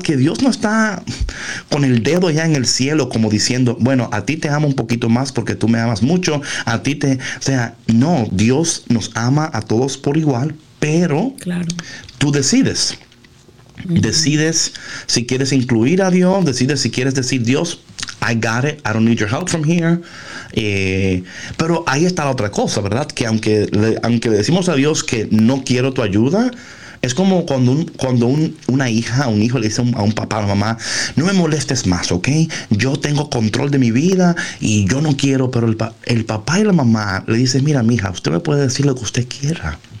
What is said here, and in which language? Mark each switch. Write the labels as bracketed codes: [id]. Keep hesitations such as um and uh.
[es] Que Dios no está con el dedo ya en el cielo como diciendo, bueno, a ti te amo un poquito más porque tú me amas mucho, a ti te... O sea, no, Dios nos ama a todos por igual, pero claro. tú decides. Decides si quieres incluir a Dios, decides si quieres decir Dios, [en] I got it, I don't need your help from here. [es] Eh, pero ahí está la otra cosa, ¿verdad? Que aunque le, aunque le decimos a Dios que no quiero tu ayuda, es como cuando, un- cuando un- una hija, un hijo le dice a un- a un papá o mamá, no me molestes más, ¿ok? Yo tengo control de mi vida y yo no quiero, pero el, pa- el papá y la mamá le dicen, mira, mija, usted me puede decir lo que usted quiera.